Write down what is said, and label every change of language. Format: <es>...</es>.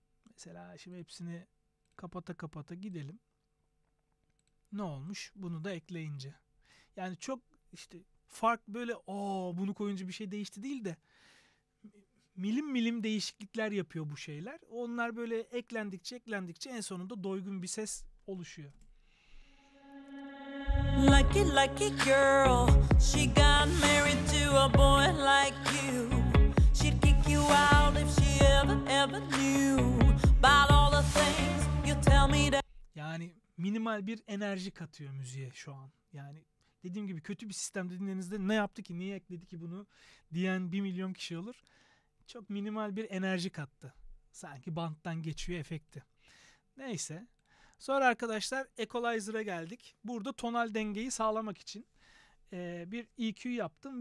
<tr>Mesela şimdi hepsini kapata kapata gidelim. Ne olmuş bunu da ekleyince? Yani çok işte fark böyle bunu koyunca bir şey değişti değil de milim milim değişiklikler yapıyor bu şeyler. Onlar böyle eklendikçe en sonunda doygun bir ses oluşuyor.</tr> <en>Lucky lucky girl, she got married to a boy like you. She'd kick you out if she ever knew about all the things you tell me that.</en> <tr>Yani minimal bir enerji katıyor müziğe şu an. Yani dediğim gibi kötü bir sistemde dinlediğinizde ne yaptı ki, niye ekledi ki bunu diyen 1 milyon kişi olur. Çok minimal bir enerji kattı. Sanki banttan geçiyor efekti. Neyse. Sonra arkadaşlar equalizer'a geldik. Burada tonal dengeyi sağlamak için bir EQ yaptım.</tr>